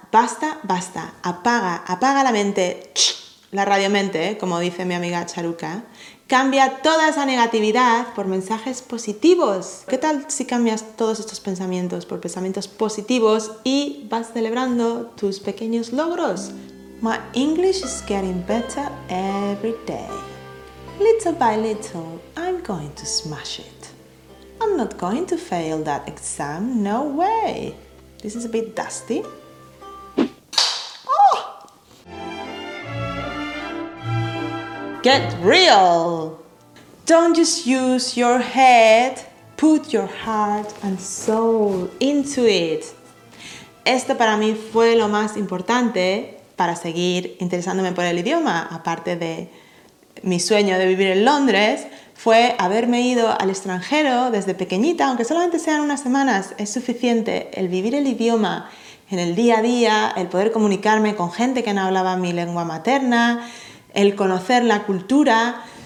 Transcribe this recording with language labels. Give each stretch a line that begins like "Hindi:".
Spanish: Basta, basta, apaga, apaga la mente, la radiomente, como dice mi amiga Charuca. Cambia toda esa negatividad por mensajes positivos. ¿Qué tal si cambias todos estos pensamientos por pensamientos positivos y vas celebrando tus pequeños logros?
English: My English is getting better every day. Little by little, I'm going to smash it. I'm not going to fail that exam, no way. This is a bit dusty. Get real! Don't just use your head, put your heart and soul into it.
Spanish: Esto para mí fue lo más importante para seguir interesándome por el idioma, aparte de mi sueño de vivir en Londres, fue haberme ido al extranjero desde pequeñita, aunque solamente sean unas semanas, es suficiente el vivir el idioma en el día a día, el poder comunicarme con gente que no hablaba mi lengua materna, el conocer la cultura.